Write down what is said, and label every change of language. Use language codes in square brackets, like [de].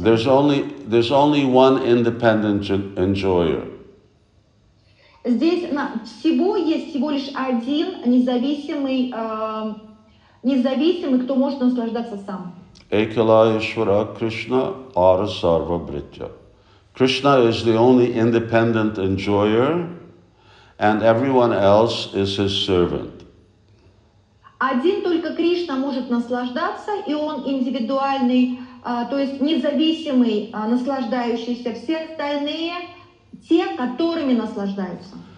[en] There's only one independent enjoyer. [ru] Здесь всего лишь один независимый, кто может наслаждаться сам. [sa] Экалайшвара Кришна Ара Сарва Бритья. [en] Krishna is the only independent enjoyer, and everyone else is his servant. [ru] Один только Кришна может наслаждаться, и он индивидуальный, то есть независимый, наслаждающийся, все остальные те, которыми наслаждаются.